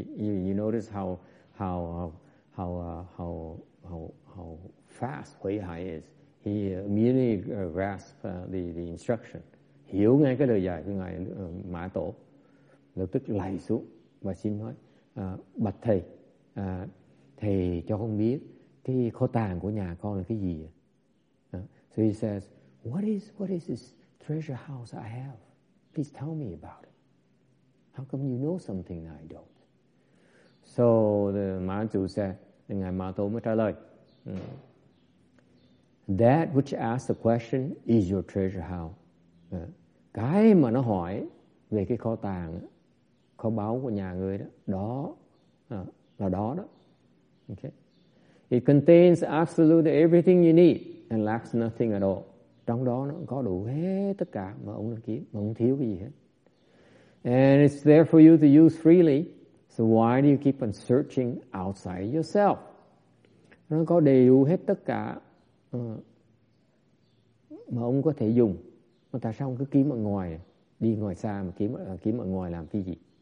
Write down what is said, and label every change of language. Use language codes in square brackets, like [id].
[en] You notice how fast Huệ Hải is. He immediately grasped the instruction. [vi] Hiểu ngay cái lời dạy của ngài Mã Tổ. Lập tức lạy xuống và xin nói, bạch thầy, thầy cho con biết cái kho tàng của nhà con là cái gì. [en] So he says, what is this treasure house I have? Please tell me about it. How come you know something that I don't? So the Mã Tổ said, [vi] ngài Mã Tổ mới trả lời, [en] that which asks the question is your treasure house. [vi] Cái mà nó hỏi về cái kho tàng, kho báu của nhà người đó, đó. [en] Okay. It contains absolutely everything you need and lacks nothing at all. [vi] Trong đó nó có đủ hết tất cả mà ông đang kiếm, mà ông thiếu cái gì hết. [en] And it's there for you to use freely. So why do you keep on searching outside yourself? [vi] Nó có đầy đủ hết tất cả mà ông có thể dùng, mà tại sao ông cứ kiếm ở ngoài, đi ngoài xa mà kiếm ở ngoài làm cái gì?